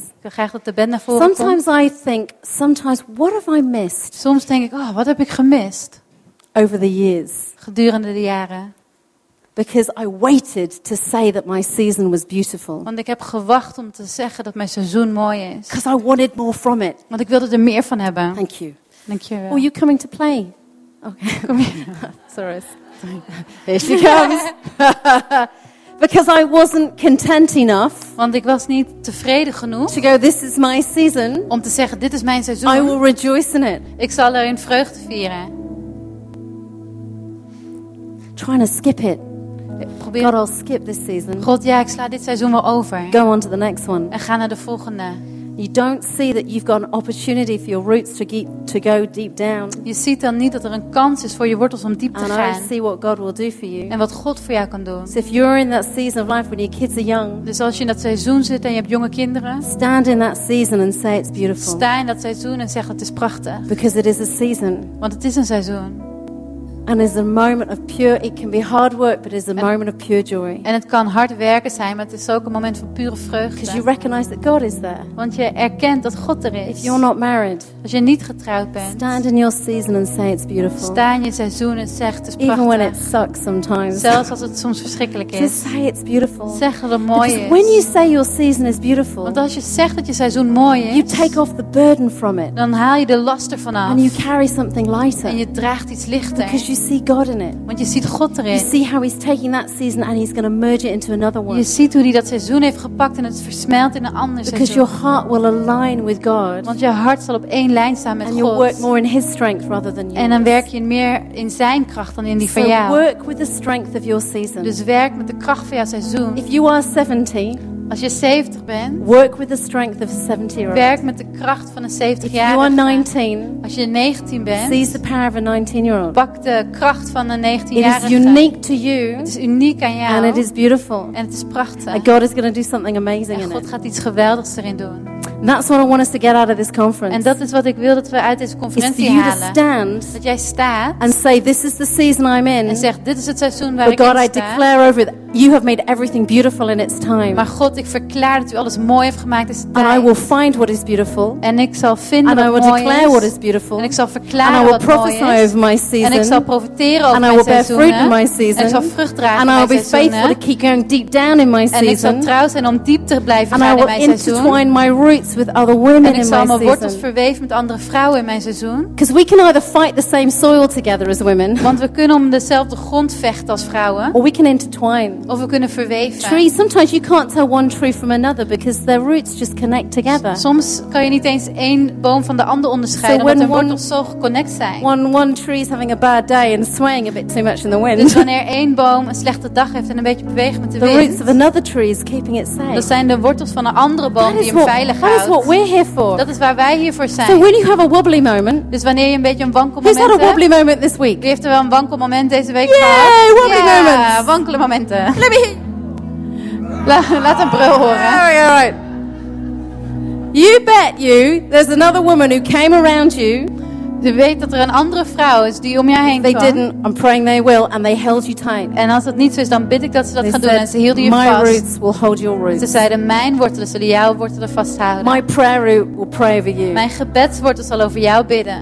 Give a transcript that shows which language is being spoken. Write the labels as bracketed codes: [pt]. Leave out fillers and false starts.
[nl] Ik wil graag dat de band naar voren [en] sometimes [nl] komt. [en] Sometimes what have I missed? [nl] Soms denk ik, oh, wat heb ik gemist? [en] Over the years. [nl] Gedurende de jaren. [en] Because I waited to say that my season was beautiful. [nl] Want ik heb gewacht om te zeggen dat mijn seizoen mooi is. [en] Because I wanted more from it. [nl] Want ik wilde er meer van hebben. [en] Thank you. Thank you. Are you coming to play? Okay. Sorry. Here she comes. Because I wasn't content enough. [nl] Want ik was niet tevreden genoeg. [en] To go, this is my season. [nl] Om te zeggen, dit is mijn seizoen. [en] I will rejoice in it. [nl] Ik zal er in vreugde vieren. [en] Trying to skip it. God, I'll skip this season. [nl] God, ja, ik sla dit seizoen wel over. [en] Go on to the next one. [nl] En ga naar de volgende. [en] You don't see that you've got an opportunity for your roots to go deep down. [nl] Je ziet dan niet dat er een kans is voor je wortels om diep te gaan. [en] And I see what God will do for you. [nl] En wat God voor jou kan doen. [en] So if you're in that season of life when your kids are young. [nl] Dus als je in dat seizoen zit en je hebt jonge kinderen. [en] Stand in that season and say it's beautiful. [nl] Sta in dat seizoen en zeg het is prachtig. [en] Because it is a season. [nl] Want het is een seizoen. [en] And it's a moment of pure. It can be hard work, but it's a moment of pure joy. [nl] En het kan hard werken zijn, maar het is ook een moment van pure vreugde. [en] Because you recognize that God is there. [nl] Want je erkent dat God er is. [en] If you're not married, [nl] als je niet getrouwd bent, [en] stand in your season and say it's beautiful. [nl] Sta in je seizoen en zeg het is prachtig. [en] Even when it sucks sometimes. [nl] Zelfs als het soms verschrikkelijk is. [en] Just say it's beautiful. [nl] Zeg dat het mooi is. [en] Because when you say your season is beautiful, [nl] want als je zegt dat je seizoen mooi is, [en] you take off the burden from it. [nl] Dan haal je de last ervan af. [en] And you carry something lighter. [nl] En je draagt iets lichter. [en] Because you see God in it. [nl] Want je ziet God erin. [en] You see how he's taking that season and he's going to merge it into another one. [nl] Je ziet hoe hij dat seizoen heeft gepakt en het versmelt in een ander seizoen. [en] Because your heart will align with God. [nl] Want je hart zal op één lijn staan met God. [en] And you'll work more in his strength rather than yours. [nl] En dan werk je meer in zijn kracht dan in die van jou. [en] So work with the strength of your season. [nl] Dus werk met de kracht van jouw seizoen. [en] If you are 17, [nl] als je 70 bent, [en] work with the strength of a 70-year-old. [nl] Werk met de kracht van een 70-jarige. [en] If you are 19, [nl] als je 19 bent, [en] seize the power of a 19-year-old. [nl] Pak de kracht van een 19-jarige. [en] It is unique to you. [nl] Het is uniek aan jou. [en] And it is beautiful. [nl] En het is prachtig. [en] And God is going to do something amazing in it. [nl] En God gaat iets geweldigs erin doen. [en] And that's what I want us to get out of this conference. [nl] En dat is wat ik wil dat we uit deze conferentie halen. [en] Is for you to stand. [nl] Dat jij staat. [en] And say, this is the season I'm in. [nl] En zeg, dit is het seizoen waar ik in sta. [en] But God, I declare over it, you have made everything beautiful in its time. [nl] Maar God, ik verklaar dat u alles mooi heeft gemaakt in zijn tijd. [en] And I will find what is beautiful. [nl] En ik zal vinden wat mooi is. [en] And I will declare what is beautiful. [nl] En ik zal verklaren wat mooi is. [en] And I will prophesy over my season. [nl] En ik zal profiteren over mijn seizoen. [en] And I will bear fruit in my season. [nl] En ik zal vrucht dragen in mijn seizoen. [en] And I will be faithful to keep going deep down in my season. [nl] En ik zal trouw zijn om diep te blijven gaan in mijn seizoen. [en] And I will intertwine my roots with other women in my season. [nl] En ik zal mijn wortels verweven met andere vrouwen in mijn seizoen. [en] Because we can either fight the same soil together as women. [nl] Want we kunnen om dezelfde grond vechten als vrouwen. [en] Or we can intertwine. [nl] Of we kunnen verweven. [en] Trees, sometimes you can't tell one tree from another because their roots just connect together. [nl] Soms kan je niet eens één boom van de ander onderscheiden omdat de wortels zo geconnect zijn. [en] One tree is having a bad day and swaying a bit too much in the wind. [nl] Dus wanneer één boom een slechte dag heeft en een beetje beweegt met de wind. [en] The roots of another tree is keeping it safe. [nl] Dat zijn de wortels van een andere boom die hem veilig houdt. [en] That is what we're here for. [nl] Dat is waar wij hier voor zijn. [en] So when you have a wobbly moment. [nl] Dus wanneer je een beetje een wankel moment hebt. [en] Who's had a wobbly moment this week? [nl] Wie heeft er wel een wankel moment deze week gehad? [en] Yay, wobbly moments. [nl] Ja, wankele momenten. [en] Let me. [nl] Laat een brul horen. [en] All right, all right. You bet you, there's another woman who came around you. [nl] Je weet dat er een andere vrouw is die om jou heen kwam. [en] They didn't, I'm praying they will, and they held you tight. [nl] En als dat niet zo is, dan bid ik dat ze dat gaan doen. En ze hielden je [en] my [nl] vast. [en] My roots will hold your roots. [nl] Ze zeiden, mijn wortelen zullen jouw wortelen vasthouden. [en] My prayer root will pray over you. [nl] Mijn gebedswortel zal over jou bidden.